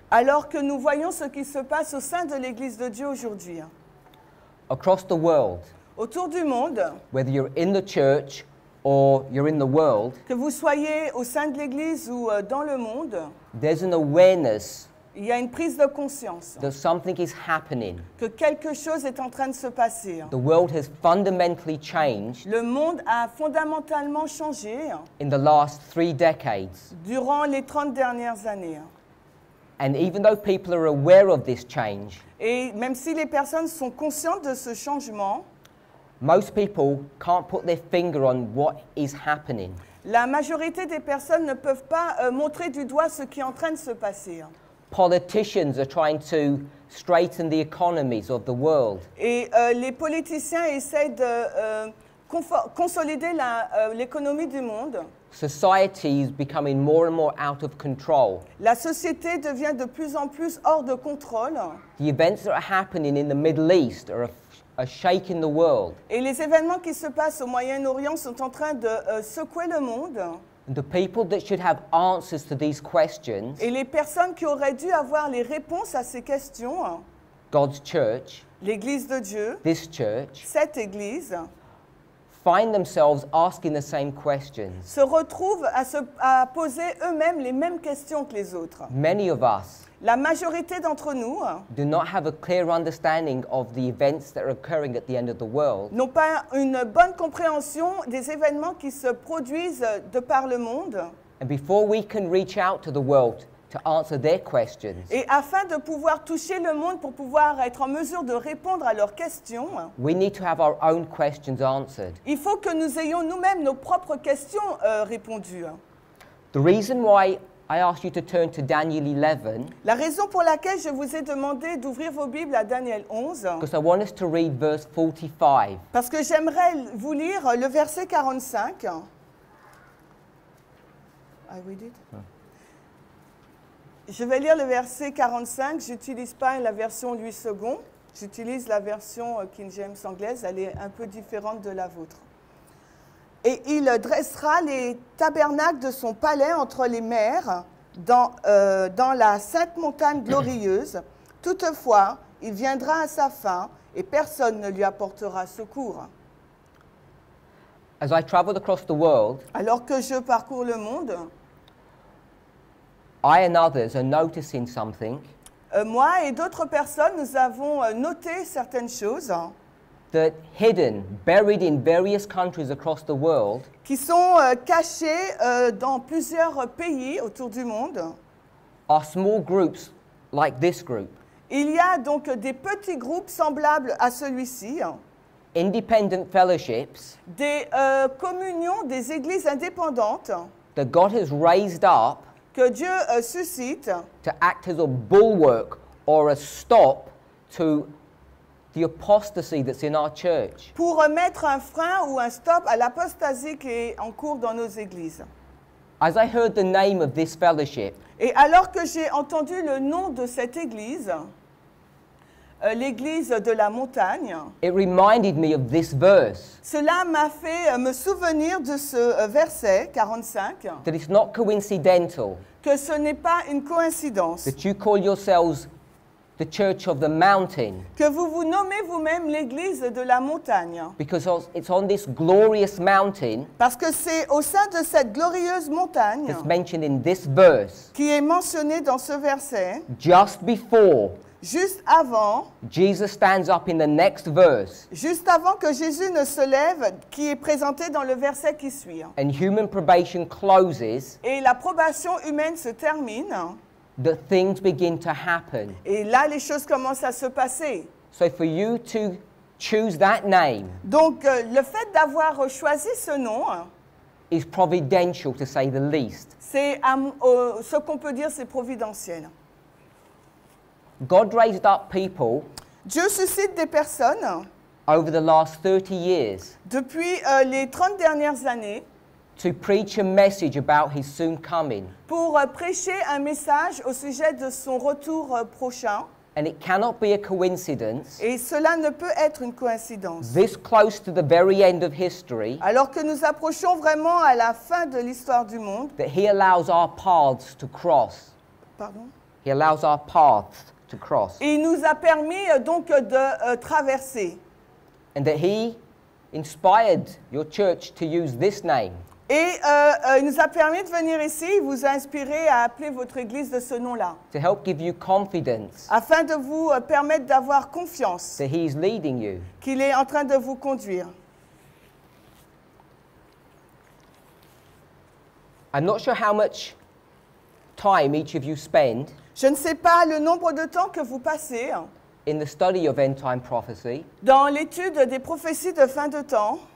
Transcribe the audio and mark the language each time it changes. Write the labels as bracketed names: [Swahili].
[French] Alors que nous voyons ce qui se passe au sein de l'église de Dieu aujourd'hui. [English] Across the world. [French] Autour du monde. [English] Whether you're in the church or you're in the world. [French] Que vous soyez au sein de l'église ou dans le monde. [English] There's an awareness. [French] Il y a une prise de conscience. [English] That something is happening. [French] Que quelque chose est en train de se passer. [English] The world has fundamentally changed. [French] Le monde a fondamentalement changé. [English] In the last 3 decades. [French] Durant les 30 dernières années. [English] And even though people are aware of this change. [French] Et même si les personnes sont conscientes de ce changement. [English] Most people can't put their finger on what is happening. [French] La majorité des personnes ne peuvent pas montrer du doigt ce qui est en train de se passer. [English] Politicians are trying to straighten the economies of the world. [French] Et les politiciens essaient de consolider l'économie du monde. [English] Society is becoming more and more out of control. [French] La société devient de plus en plus hors de contrôle. [English] The events that are happening in the Middle East are shaking the world. [French] Et les événements qui se passent au Moyen-Orient sont en train de secouer le monde. [English] And the people that should have answers to these questions. [French] Et les personnes qui auraient dû avoir les réponses à ces questions. [English] God's church. [French] L'église de Dieu. [English] This church. [French] Cette église. [English] Find themselves asking the same questions. [French] Se retrouvent à poser eux-mêmes les mêmes questions que les autres. [English] Many of us. [French] La majorité d'entre nous. [English] Do not have a clear understanding of the events that are occurring at the end of the world. [French] N'ont pas une bonne compréhension des événements qui se produisent de par le monde. [English] And before we can reach out to the world to answer their questions. [French] Et afin de pouvoir toucher le monde pour pouvoir être en mesure de répondre à leurs questions. [English] We need to have our own questions answered. [French] Il faut que nous ayons nous-mêmes nos propres questions répondues. [English] The reason why I asked you to turn to Daniel 11. [French] La raison pour laquelle je vous ai demandé d'ouvrir vos Bibles à Daniel 11. [English] Because I want us to read verse 45. [French] Parce que j'aimerais vous lire le verset 45. [English] I read it. [French] Je vais lire le verset 45. J'utilise pas la version 8 secondes. J'utilise la version King James anglaise. Elle est un peu différente de la vôtre. Et il dressera les tabernacles de son palais entre les mers dans la sainte montagne glorieuse. Toutefois, il viendra à sa fin et personne ne lui apportera secours. [English] As I traveled across the world, [French] alors que je parcours le monde, [English] I and others are noticing something. [French] Moi et d'autres personnes, nous avons noté certaines choses. [English] That hidden, buried in various countries across the world. [French] Qui sont cachés dans plusieurs pays autour du monde. [English] Are small groups like this group. [French] Il y a donc des petits groupes semblables à celui-ci. [English] Independent fellowships. [French] Des communions, des églises indépendantes. [English] That God has raised up. [French] Que Dieu suscite. [English] To act as a bulwark or a stop to the apostasy that's in our church. [French] Pour mettre un frein ou un stop à l'apostasie qui est en cours dans nos églises. [English] As I heard the name of this fellowship. [French] Et alors que j'ai entendu le nom de cette église, l'église de la montagne. [English] It reminded me of this verse. [French] Cela m'a fait me souvenir de ce verset 45. [English] That it's not coincidental. [French] Que ce n'est pas une coïncidence. [English] That you call yourselves the church of the mountain. [French] Que vous vous nommez vous-même l'église de la montagne. [English] Because it's on this glorious mountain. [French] Parce que c'est au sein de cette glorieuse montagne. [English] That's mentioned in this verse. [French] Qui est mentionné dans ce verset. [English] Just before. [French] Juste avant. [English] Jesus stands up in the next verse. [French] Juste avant que Jésus ne se lève, qui est présenté dans le verset qui suit. [English] And human probation closes. [French] Et la probation humaine se termine. [English] The things begin to happen. [French] Et là, les choses commencent à se passer. [English] So for you to choose that name. [French] Donc le fait d'avoir choisi ce nom [English] is providential, to say the least. [French] C'est ce qu'on peut dire, c'est providentiel. [English] God raised up people. [French] Dieu suscite des personnes. [English] Over the last 30 years. [French] Depuis les 30 dernières années. [English] To preach a message about his soon coming. [French] Pour prêcher un message au sujet de son retour prochain. [English] And it cannot be a coincidence. [French] Et cela ne peut être une coïncidence. [English] This close to the very end of history. [French] Alors que nous approchons vraiment à la fin de l'histoire du monde. [English] That he allows our paths to cross. [French] Pardon? [English] He allows our paths to cross. [French] Il nous a permis donc de traverser. [English] And that he inspired your church to use this name. [French] Et il nous a permis de venir ici, il vous a inspiré à appeler votre église de ce nom-là. [English] To help give you confidence. [French] Afin de vous permettre d'avoir confiance. [English] That he is leading you. [French] Qu'il est en train de vous conduire. [English] I'm not sure how much time each of you spend. [French] Je ne sais pas le nombre de temps que vous passez. [English] In the study of end time prophecy. [French] Dans l'étude des prophéties de fin de temps.